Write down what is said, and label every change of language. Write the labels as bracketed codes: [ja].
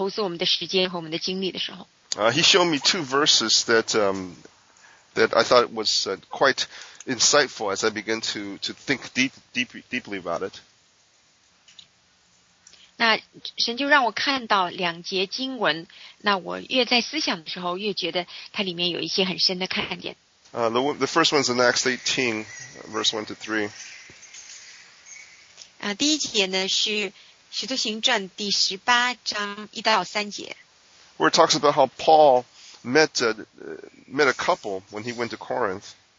[zh] 这个夏天，我们怎么样可以来更有一个重点的去来投资我们的时间和我们的精力的时候？ [en] He showed me two verses that that I thought was quite insightful as I began to think deeply about it. [zh] 那神就让我看到两节经文，那我越在思想的时候，越觉得它里面有一些很深的看点。 [en] The first one is in Acts 18, verse 1 to 3. [zh] 第一节呢是《使徒行传》第18章1到3节。 [en] Where it talks about how Paul met a couple when he went to Corinth.